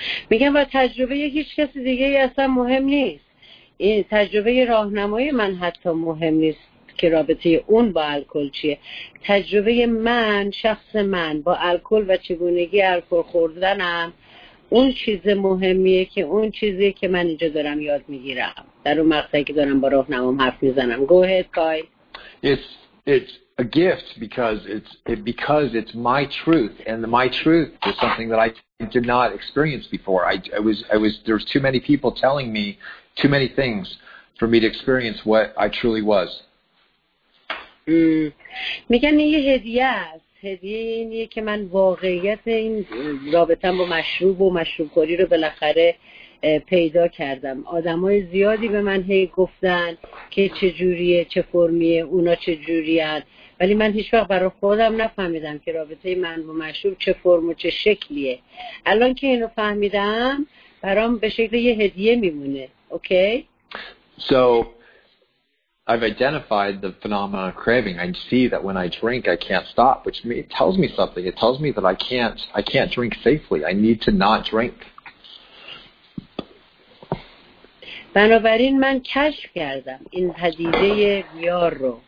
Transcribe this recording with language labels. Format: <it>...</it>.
<fa>میگم با تجربه هیچ کس دیگه اصلا مهم نیست. این تجربه راهنمای من حتی مهم نیست. که رابطه اون با الکل چیه. تجربه من، شخص من با الکل و چگونگی الکل خوردنم، اون چیز مهمیه که اون چیزیه که من اینجا دارم یاد میگیرم در اون مقطعی که دارم با راهنمام حرف میزنم.</fa> <en>Go ahead, Kai. It's a gift because it's my truth, and my truth is something that I did not experience before. I was there's too many people telling me too many things for me to experience what I truly was.</en> <fa>میگن یه هدیه است. هدیه اینیه که من واقعیت این رابطه با مشروب و مشروبخوری رو بالاخره پیدا کردم. آدمای زیادی به من هی گفتن که چه جوریه، چه فرمیه، اونا چه جوریان، ولی من هیچ وقت برای خودم نفهمیدم که رابطه من با مشروب چه فرم و چه شکلیه. الان که اینو فهمیدم برام به شکل یه هدیه میمونه. اوکی؟</fa> <en>So I've identified the phenomenon of craving. I see that when I drink, I can't stop, which it tells me something. It tells me that I can't drink safely. I need to not drink.</en> <fa>بنابراین من کشف کردم این پدیده بیار رو.</fa>